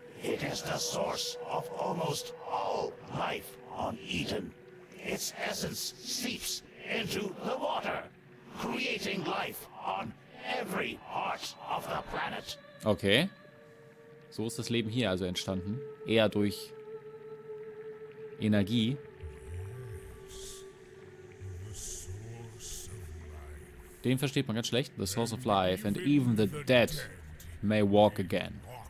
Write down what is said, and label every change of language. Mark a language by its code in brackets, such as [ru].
[en] It is the source of almost all life on Eden. Its essence seeps into the water, creating life on every part of the planet. Okay. [de] So ist das Leben hier also entstanden. Eher durch Energie. Den versteht man ganz schlecht. [en] The source of life and even the dead may walk again.